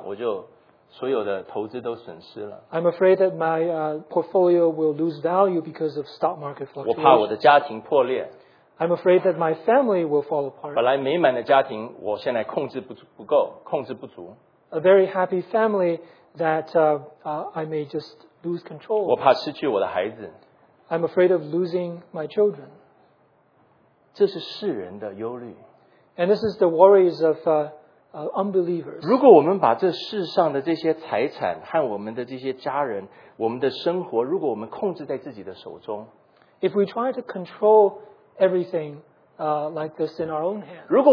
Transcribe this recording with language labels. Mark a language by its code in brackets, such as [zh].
[zh] 我怕我的投资因为股票市场的动荡，我就所有的投资都损失了。 [en] I'm afraid that my portfolio will lose value because of stock market fluctuation. [zh] 我怕我的家庭破裂。 [en] I'm afraid that my family will fall apart. [zh] 本来美满的家庭，我现在控制不够，控制不足。 [en] A very happy family that I may just lose control. [zh] 我怕失去我的孩子。 [en] I'm afraid of losing my children. [zh] 这是世人的忧虑。 [en] And this is the worries of unbelievers. [zh] 如果我们把这世上的这些财产和我们的这些家人，我们的生活，如果我们控制在自己的手中， [en] if we try to control everything like this in our own hands.